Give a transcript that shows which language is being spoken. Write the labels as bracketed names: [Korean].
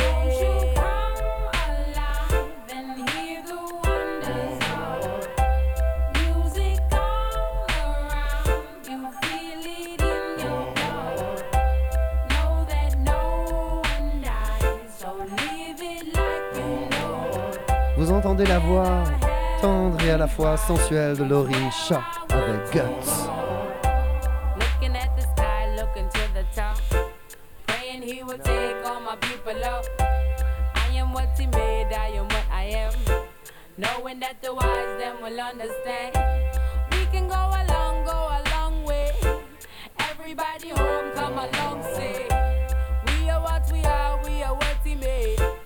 [English] Won't you come alive and hear the wonders of music all around you? Feel it in your heart. Know that no one dies, so live it like you know. [French] Vous entendez la voix tendre et à la fois sensuel de Laurie Chat avec Guts. [English] Looking at the sky, looking to the top, praying he will take all my people up. I am what he made, I am what I am, knowing that the wise them will understand. We can go a long way. Everybody home, come along, say, we are what we are, we are what he made.